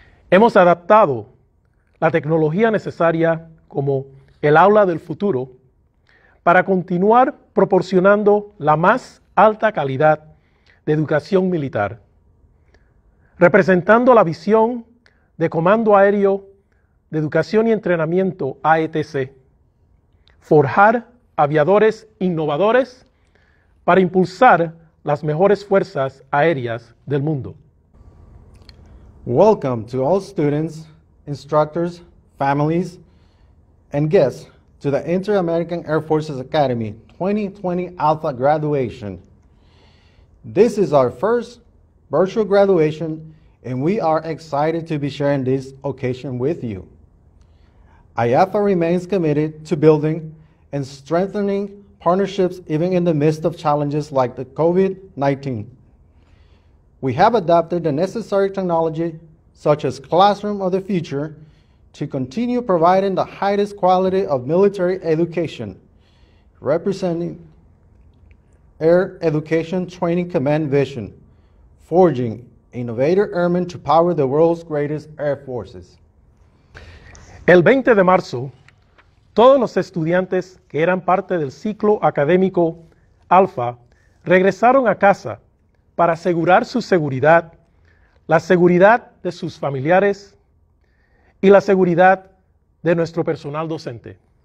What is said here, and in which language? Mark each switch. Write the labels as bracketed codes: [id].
[es] Hemos adaptado la tecnología necesaria como el aula del futuro para continuar proporcionando la más alta calidad de educación militar, representando la visión de Comando Aéreo de Educación y Entrenamiento, AETC, forjar aviadores innovadores para impulsar las mejores fuerzas aéreas del mundo. [en] Welcome to all students, instructors, families, and guests to the Inter-American Air Forces Academy 2020 Alpha graduation. This is our first virtual graduation, and we are excited to be sharing this occasion with you. IAFA remains committed to building and strengthening partnerships even in the midst of challenges like the COVID-19. We have adopted the necessary technology, such as Classroom of the Future, to continue providing the highest quality of military education, representing Air Education Training Command vision, forging innovator airmen to power the world's greatest air forces. [es] El 20 de marzo, todos los estudiantes que eran parte del ciclo académico Alpha regresaron a casa para asegurar su seguridad, la seguridad de sus familiares y la seguridad de nuestro personal docente.